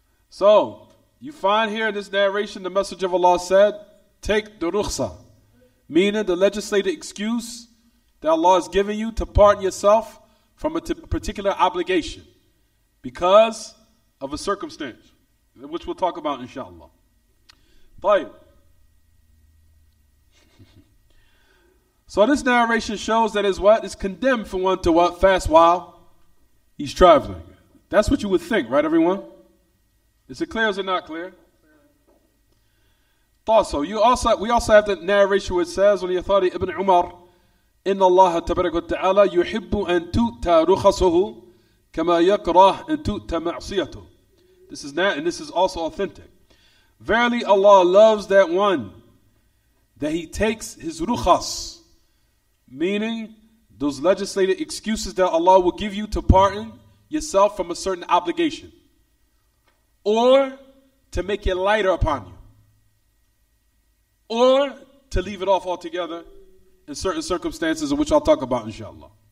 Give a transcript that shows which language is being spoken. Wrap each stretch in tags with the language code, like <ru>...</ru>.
<en>So, you find here in this narration, the message of Allah said, take the rukhsa, meaning the legislated excuse that Allah has given you to pardon yourself from a particular obligation because of a circumstance, which we'll talk about, inshallah. Tayyib. So this narration shows that is what? It's condemned for one to what? Fast while he's traveling. That's what you would think, right, everyone? Is it clear or is it not clear? Thought so. We also have the narration which says, on the authority Ibn Umar,</en> <ar>إن الله تبارك وتعالى يحب أن تؤتى رخصه كما يكره أن تؤتى معصيته.</ar> <en>This is not, and this is also authentic. Verily Allah loves that one that he takes his rukhas, meaning those legislated excuses that Allah will give you to pardon yourself from a certain obligation or to make it lighter upon you or to leave it off altogether in certain circumstances, of which I'll talk about, inshallah.</en>